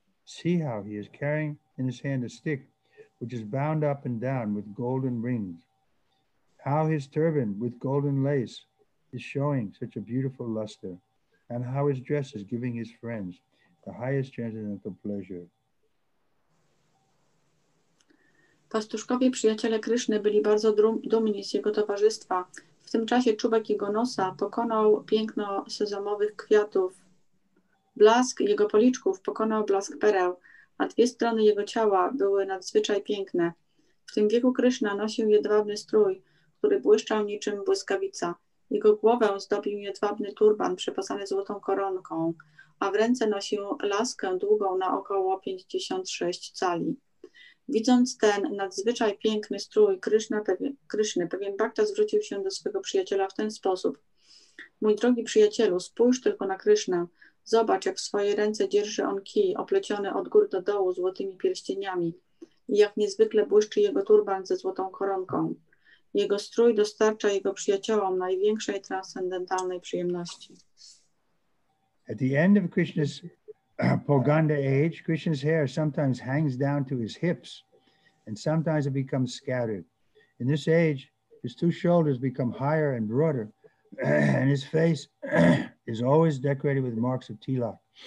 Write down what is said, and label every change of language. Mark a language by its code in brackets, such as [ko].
[en] See how he is carrying in his hand a stick which is bound up and down with golden rings. How his turban with golden lace is showing such a beautiful luster, and how his dress is giving his friends the highest transcendental pleasure. [pl] Pastuszkowie, przyjaciele Kryszny, byli bardzo dumni z jego towarzystwa. W tym czasie czubek jego nosa pokonał piękno sezamowych kwiatów. Blask jego policzków pokonał blask pereł, a dwie strony jego ciała były nadzwyczaj piękne. W tym wieku Kryszna nosił jedwabny strój, który błyszczał niczym błyskawica. Jego głowę zdobił jedwabny turban przepasany złotą koronką, a w ręce nosił laskę długą na około 56 cali. Widząc ten nadzwyczaj piękny strój Kryszny, pewien Bhakta zwrócił się do swego przyjaciela w ten sposób. Mój drogi przyjacielu, spójrz tylko na Krysznę. Zobacz, jak w swojej ręce dzierży on kij opleciony od góry do dołu złotymi pierścieniami i jak niezwykle błyszczy jego turban ze złotą koronką. Jego strój dostarcza jego przyjaciołom największej transcendentalnej przyjemności. [en] At the end of Krishna's Pauganda age, Krishna's hair sometimes hangs down to his hips and sometimes it becomes scattered. In this age, his two shoulders become higher and broader and his face is always decorated with marks of tilak.